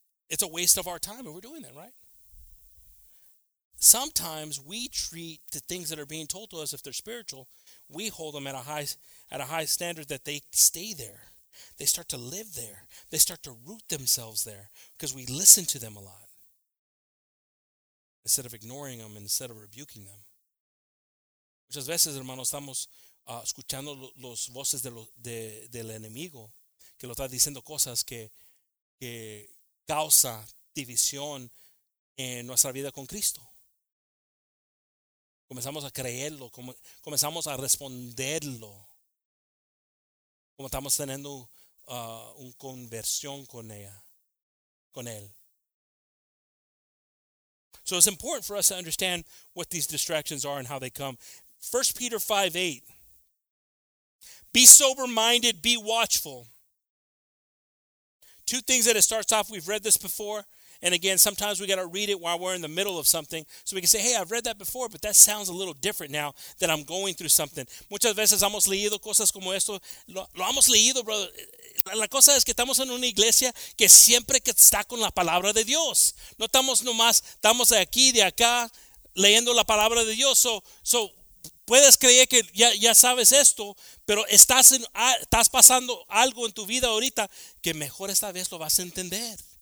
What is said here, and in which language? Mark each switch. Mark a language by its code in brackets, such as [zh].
[en] It's a waste of our time and we're doing that, right? Sometimes we treat the things that are being told to us, if they're spiritual, we hold them at a high standard that they stay there. They start to live there. They start to root themselves there because we listen to them a lot instead of ignoring them, instead of rebuking them. [es] Muchas veces, hermanos, estamos escuchando los voces del enemigo que lo está diciendo cosas que causa división en nuestra vida con Cristo. Comenzamos a creerlo, comenzamos a responderlo. Como estamos teniendo una conversión con ella, con él. [en] So it's important for us to understand what these distractions are and how they come. 1 Peter 5:8. Be sober-minded, be watchful. Two things that it starts off, we've read this before. And again, sometimes we got to read it while we're in the middle of something. So we can say, hey, I've read that before, but that sounds a little different now that I'm going through something. [es] Muchas veces hemos leído cosas como esto. Lo hemos leído, brother. La cosa es que estamos en una iglesia que siempre que está con la palabra de Dios. No estamos nomás, estamos de aquí, de acá, leyendo la palabra de Dios. So puedes creer que ya sabes esto, pero estás pasando algo en tu vida ahorita que mejor esta vez lo vas a entender.